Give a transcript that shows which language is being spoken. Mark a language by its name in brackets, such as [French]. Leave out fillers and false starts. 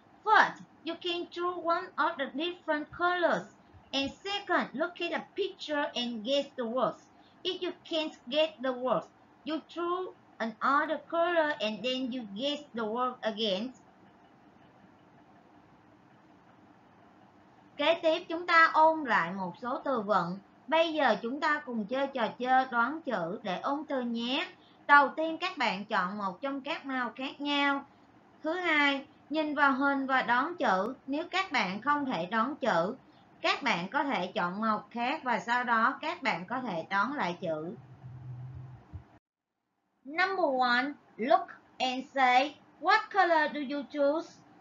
[English] First, you can choose one of the different colors. And second, look at a picture and guess the words. If you can't get the words, you choose another color and then you guess the word again. [Vietnamese] Kế tiếp, chúng ta ôn lại một số từ vựng. Bây giờ chúng ta cùng chơi trò chơi đoán chữ để ôn từ nhé. Đầu tiên các bạn chọn một trong các màu khác nhau. Thứ hai, nhìn vào hình và đoán chữ. Nếu các bạn không thể đoán chữ, các bạn có thể chọn màu khác và sau đó các bạn có thể đoán lại chữ. [English] Number one, look and say, what color do you choose?